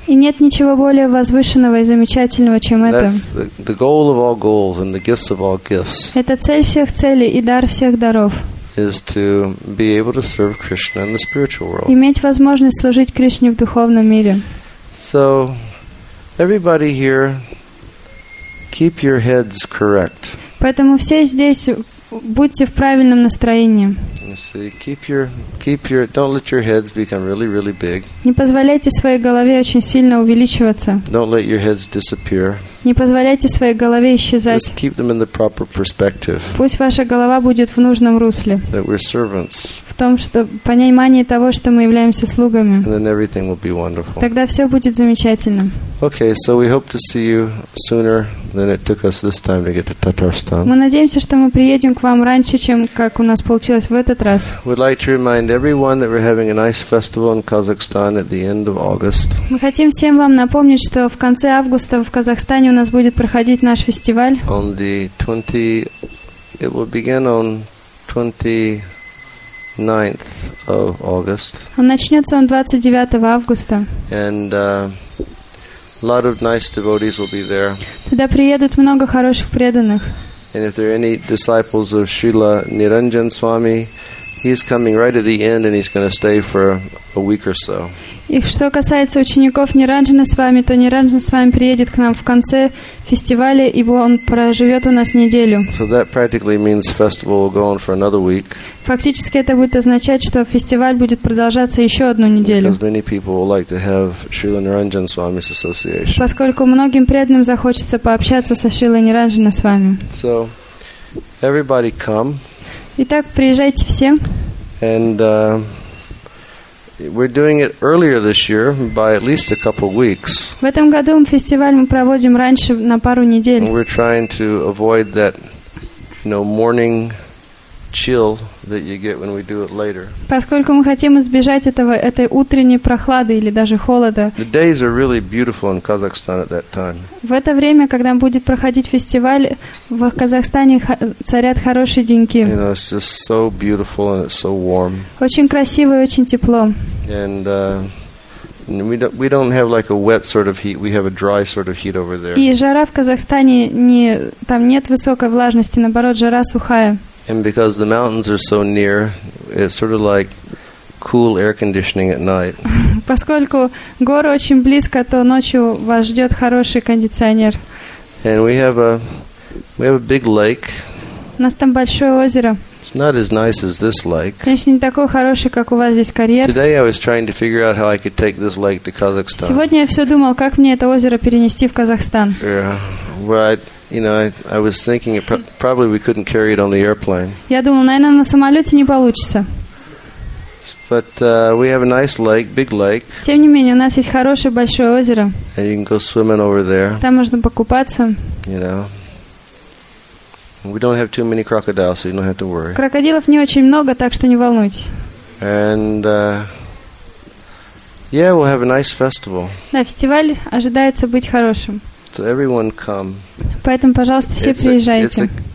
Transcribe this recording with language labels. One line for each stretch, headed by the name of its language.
Russian: И нет ничего более возвышенного и замечательного, чем это.
English: That's the goal of all goals and the gifts of all gifts.
Russian: Это цель всех целей и дар всех даров.
English: Is to be able to serve Krishna in the spiritual world.
Russian: Иметь возможность служить Кришне в духовном мире.
English: So, everybody here, keep your heads correct.
Russian: Поэтому все здесь будьте в правильном настроении.
English: Don't let your heads become really, really big.
Russian: Не позволяйте своей голове очень сильно увеличиваться.
English: Don't let your heads disappear.
Russian: Не позволяйте своей голове исчезать.
English: Just keep them in the proper perspective.
Russian: Пусть ваша голова будет в нужном русле.
English: That we're servants.
Russian: В том, что понимание того, что мы являемся слугами.
English: And then everything will be wonderful.
Russian: Тогда все будет замечательно.
English: Okay, so we hope to see you sooner than it took us this time to get to Tatarstan.
Russian: Мы надеемся, что мы приедем к вам раньше, чем как у нас получилось в этот раз.
English: We'd like to remind everyone that we're having a nice festival in Kazakhstan at the end of August.
Russian: Мы хотим всем вам напомнить, что в конце августа в Казахстане у нас будет проходить наш фестиваль.
English: On the 20, it will begin on 29th of August.
Russian: Он начнется 29 августа.
English: And a lot of nice devotees will be there.
Russian: Туда приедут много хороших преданных.
English: And if there are any disciples of Srila Niranjan Swami, he's coming right at the end and he's going to stay for a week or so.
Russian: И что касается учеников Ниранджана Свами, то Ниранджан Свами приедет к нам в конце фестиваля, ибо он проживет у нас неделю.
English: So that practically means festival will go on for another week.
Russian: Фактически это будет означать, что фестиваль будет продолжаться еще одну неделю.
English: Because many people will like to have Srila Niranjan Swami's association.
Russian: Поскольку многим преданным захочется пообщаться со Шрилой Ниранджана Свами.
English: So, everybody come.
Russian: Итак, приезжайте все.
English: And we're doing it earlier this year by at least a couple weeks.
Russian: В этом году фестиваль мы проводим раньше на пару недель.
English: And we're trying to avoid that, you know, morning chill that you get when we do it later.
Russian: Поскольку мы хотим избежать этой утренней прохлады или даже холода.
English: The days are really beautiful in Kazakhstan at that time.
Russian: В это время, когда будет проходить фестиваль, в Казахстане царят хорошие деньки.
English: You know, it's just so beautiful and it's so warm.
Russian: Очень красиво и очень тепло.
English: And we don't have like a wet sort of heat. We have a dry sort of heat over there.
Russian: И жара в Казахстане не там нет высокой влажности, наоборот, жара сухая.
English: And because the mountains are so near, it's sort of like cool air conditioning at night.
Russian: Поскольку горы очень близко, то ночью вас ждет хороший кондиционер.
English: And we have a big lake.
Russian: У нас там большое озеро.
English: It's not as nice as this lake.
Russian: Конечно, не такой хороший, как у вас здесь карьер.
English: Today I was trying to figure out how I could take this lake to Kazakhstan.
Russian: Сегодня я все думал, как мне это озеро перенести в Казахстан.
English: Yeah, right. You know, I was thinking it probably we couldn't carry it on the airplane.
Russian: Я думал, наверное, на самолете не получится.
English: But we have a nice lake, big lake.
Russian: Тем не менее, у нас есть хорошее большое озеро.
English: And you can go swimming over there.
Russian: Там можно покупаться.
English: You know. We don't have too many crocodiles, so you don't have to worry.
Russian: Крокодилов не очень много, так что не волнуйтесь.
English: And yeah, we'll have a nice festival.
Russian: Да, фестиваль ожидается быть хорошим.
English: So everyone come.
Russian: Поэтому, пожалуйста, все приезжайте.